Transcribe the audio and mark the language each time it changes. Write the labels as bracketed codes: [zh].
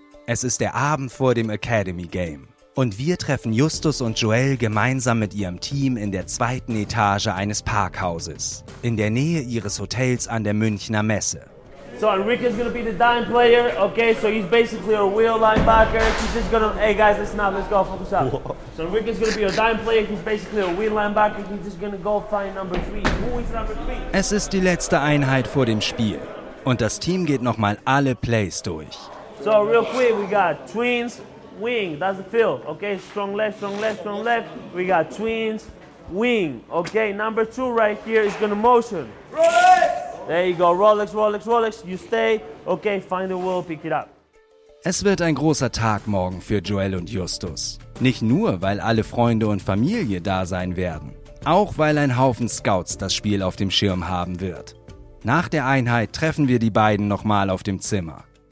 [de] Es ist der Abend vor dem Academy Game und wir treffen Justus und Joel gemeinsam mit ihrem Team in der 2. Etage eines Parkhauses, in der Nähe ihres Hotels an der Münchner Messe. [en] So Enrique is going to be the dime player, okay? So he's basically a wheel linebacker. He's just going to, hey guys, listen up, let's go, focus up. So Enrique is going to be a dime player. He's basically a wheel linebacker. He's just going to go find number three. Who is number three? [de] Es ist die letzte Einheit vor dem Spiel. Und das Team geht nochmal alle Plays durch. [en] So real quick, we got twins, wing, that's the field, okay? Strong left, strong left, strong left. We got twins, wing, okay? Number two right here is going to motion. Rolex! There you go, Rolex, Rolex, Rolex, you stay. Okay, find the wheel, pick it up. [de] Es wird ein großer Tag morgen für Joel und Justus. Nicht nur, weil alle Freunde und Familie da sein werden. Auch, weil ein Haufen Scouts das Spiel auf dem Schirm haben wird. Nach der Einheit treffen wir die beiden nochmal auf dem Zimmer.